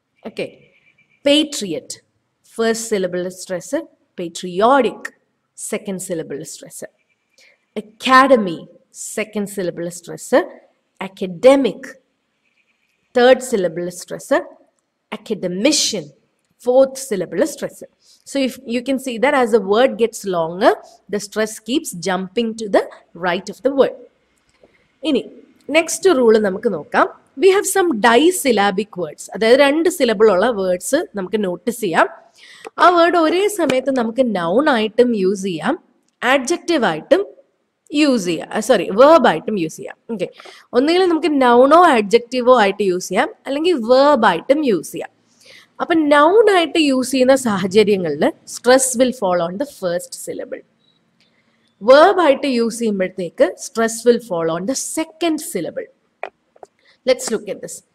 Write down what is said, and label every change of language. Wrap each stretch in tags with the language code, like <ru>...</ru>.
<ml>Okay, patriot first സിലബിളിൽ stress, patriotic second സിലബിളിൽ stress. Academy second സിലബിളിൽ stress, academic third സിലബിളിൽ stress, അക്കഡമിഷ്യൻ</ml> <en>fourth syllable stress. So if you can see that as a word gets longer, the stress keeps jumping to the right of the word.</en> <ml>Ini next rule namukku nokkam,</ml> <en>we have some disyllabic words,</en> <ml>adhaayathu rendu syllable ulla words namukku notice cheyyam. Aa word ore samayathu namukku noun aayittum use cheyyam, adjective aayittum use ചെയ്യാം, sorry verb ആയിട്ടും use ചെയ്യാം. Okay, ഒന്നുകിൽ നമുക്ക് നൗണോ അഡ്ജക്റ്റീവോ ആയിട്ട് use ചെയ്യാം, അല്ലെങ്കിൽ വേർബായിട്ടും use ചെയ്യാം. അപ്പം നൗണായിട്ട് യൂസ് ചെയ്യുന്ന സാഹചര്യങ്ങളിൽ</ml> <en>Stress will follow on the first syllable.</en> <ml>വേർബായിട്ട് use ചെയ്യുമ്പോഴത്തേക്ക്</ml> <en>Stress will follow on the second syllable. Let's look at this.</en>